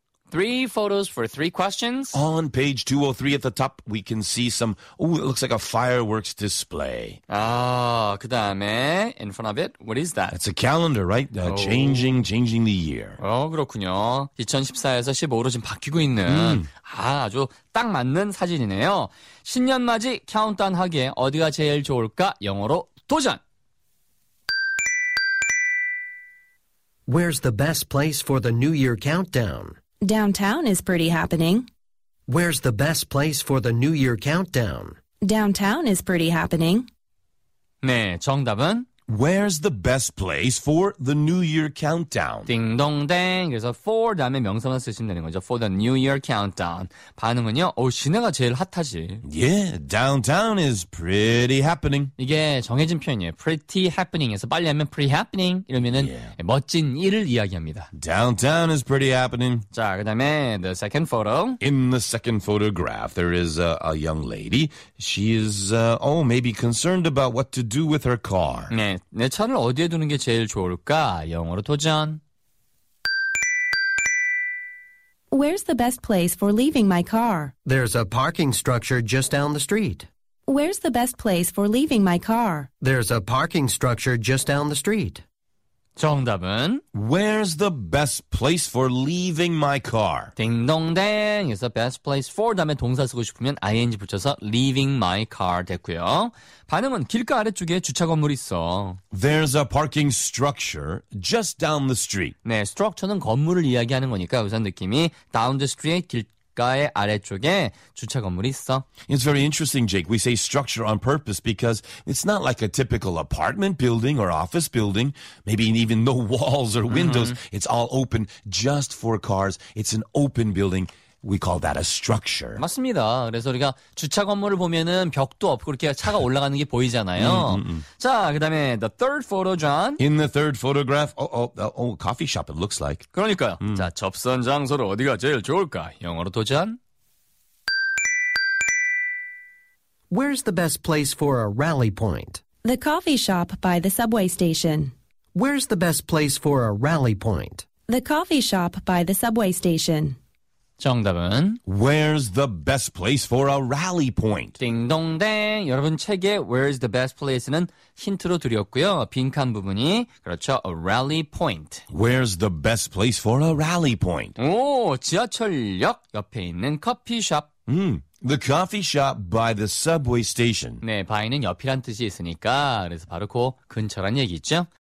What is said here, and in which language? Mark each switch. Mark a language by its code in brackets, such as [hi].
[en] Three photos for three questions. On page 203 at the top, we can see some, oh, it looks like a fireworks display. Ah, [ko] 그 다음에, [en] in front of it, what is that? It's a calendar, right? Changing the year. [ko] 어, 그렇군요. 2014에서 15로 지금 바뀌고 있는, 아주 딱 맞는 사진이네요. 신년 맞이 카운트다운 하기에 어디가 제일 좋을까? 영어로 도전! [en] Where's the best place for the New Year countdown? Downtown is pretty happening. Where's the best place for the New Year countdown? Downtown is pretty happening. [ko] 네, 정답은 [en] Where's the best place for the New Year countdown? [ko] 띵동댕. 그래서 for 다음에 명사만 쓰시면 되는 거죠. [en] For the New Year countdown. [ko] 반응은요? 오, 시내가 제일 핫하지. [en] Yeah, downtown is pretty happening. [ko] 이게 정해진 표현이에요. Pretty happening에서 빨리 하면 pretty happening 이러면은 yeah. 멋진 일을 이야기합니다. [en] Downtown is pretty happening. [ko] 자, 그 다음에 [en] the second photo. In the second photograph, there is a young lady. She is, maybe concerned about what to do with her car. [ko] 내 차를 어디에 두는 게 제일 좋을까? 영어로 도전. [en] Where's the best place for leaving my car? There's a parking structure just down the street. Where's the best place for leaving my car? There's a parking structure just down the street. [ko] 정답은 [en] Where's the best place for leaving my car? [ko] 딩동댕. [en] It's the best place for [ko] 다음에 동사 쓰고 싶으면 ing 붙여서 [en] leaving my car 됐고요. [ko] 반응은 길가 아래쪽에 주차 건물 있어. [en] There's a parking structure just down the street. [ko] 네, structure는 건물을 이야기하는 거니까 우선 느낌이 [en] down the street [ko] 길가의 아래쪽에 주차 건물 있어. [en] It's very interesting, Jake. We say structure on purpose because it's not like a typical apartment building or office building. Maybe even no walls or windows. Mm-hmm. It's all open just for cars. It's an open building. We call that a structure. [ko] 맞습니다. 그래서 우리가 주차 건물을 보면은 벽도 없고 그렇게 차가 올라가는 게 보이잖아요. 자, 그다음에 [en] the third photo, [ko] John. [en] In the third photograph, coffee shop it looks like. [ko] 그러니까요. 자, 접선 장소로 어디가 제일 좋을까? 영어로 도전. [en] Where's the best place for a rally point? The coffee shop by the subway station. Where's the best place for a rally point? The coffee shop by the subway station. [ko] 정답은 [en] Where's the best place for a rally point? [ko] 띵동댕. 여러분 책에 Where's the best place는 힌트로 드렸고요. 빈칸 부분이 그렇죠. A rally point. [en] Where's the best place for a rally point? [ko] 오, 지하철역 옆에 있는 커피숍. [en] The coffee shop by the subway station. [ko] 네, by는 옆이란 뜻이 있으니까 그래서 바로 그 근처란 얘기죠.